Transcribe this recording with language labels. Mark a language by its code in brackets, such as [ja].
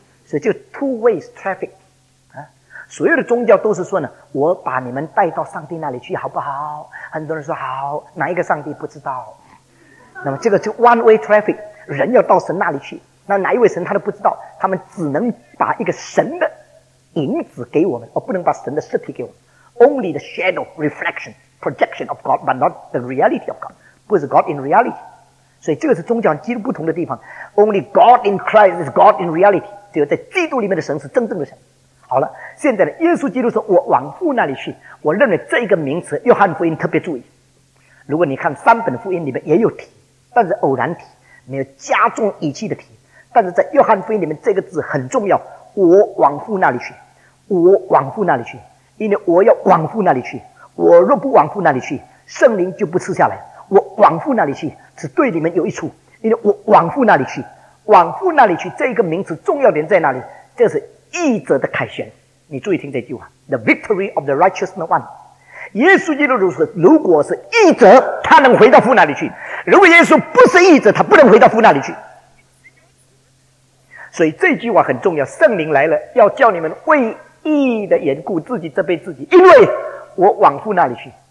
[zh] 所以就 [en] two ways traffic， [zh] 所有的宗教都是说呢，我把你们带到上帝那里去好不好。很多人说好，哪一个上帝不知道。那么这个就 [en] one way traffic， [zh] 人要到神那里去，那哪一位神他都不知道，他们只能把一个神的影子给我们，而不能把神的实体给我们。 [en] Only the shadow, reflection, projection of God, but not the reality of God. [zh] 不是 [en] God in reality. [zh] 所以这个是宗教基督不同的地方。 [en] Only God in Christ is God in reality. [zh] 只有在基督里面的神是真正的神。好了，现在呢，耶稣基督说我往父那里去，我认为这一个名词约翰福音特别注意。如果你看三本福音里面也有提，但是偶然提，没有加重语气的提。但是在约翰福音里面这个字很重要，我往父那里去，我往父那里去。因为我要往父那里去，我若不往父那里去，圣灵就不赐下来。我往父那里去只对你们有益处，因为我往父那里去，往父那里去这一个名词重要点在哪里？这是义者的凯旋。你注意听这句话， [en] The victory of the righteous one。 [zh] 耶稣基督如此，如果是义者他能回到父那里去，如果耶稣不是义者他不能回到父那里去。所以这句话很重要，圣灵来了要叫你们为义的缘故自己责备自己，因为我往父那里去。